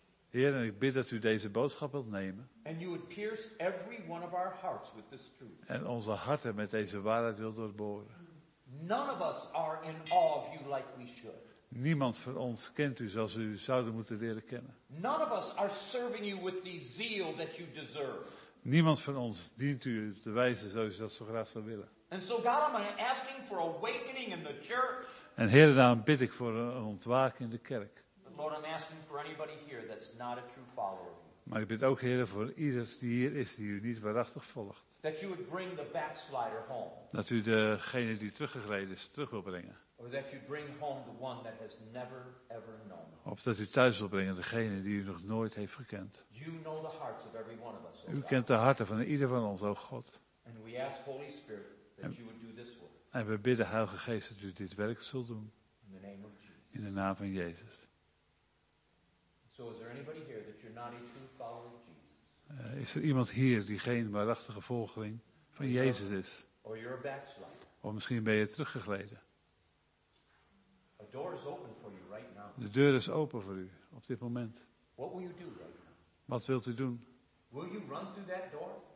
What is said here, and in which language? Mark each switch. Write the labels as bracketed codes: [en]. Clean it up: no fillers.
[nl] Heer, en ik bid dat u deze boodschap wilt nemen. [en] And you would pierce every one of our hearts with this truth. [nl] En onze harten met deze waarheid wilt doorboren. [en] None of us are in awe of you like we should. [nl] Niemand van ons kent u zoals u zouden moeten leren kennen. [en] None of us are serving you with the zeal that you deserve. [nl] Niemand van ons dient u te wijzen zoals u dat zo graag zou willen. [en] And so God, I'm asking for awakening in the church. [nl] En Heer, daarom bid ik voor een ontwaking in de kerk. [en] Lord, I'm asking for anybody here that's not a true follower. [nl] Maar ik bid ook, Heer, voor ieder die hier is die u niet waarachtig volgt. [en] That you would bring the backslider home. [nl] Dat u degene die teruggegleden is terug wil brengen. [en] Or that you bring home the one that has never ever known. [nl] Of dat u thuis wil brengen degene die u nog nooit heeft gekend. [en] You know the hearts of every one of us. [nl] U kent de harten van ieder van ons, o God. [en] And we ask Holy Spirit that you would do this work. [nl] En we bidden Heilige Geest dat u dit werk zult doen. [en] In the name of Jesus. [nl] In de naam van Jezus. [en] So is there anybody here that you're not a true follower of Jesus? [nl] Is er iemand hier die geen waarachtige volgeling van Jezus is? [en] Or you're a backslider. [nl] Of misschien ben je teruggegleden. [en] The door is open for you right now. [nl] De deur is open voor u op dit moment. [en] What will you do right now? [nl] Wat wilt u doen? [en] Will you run through that door?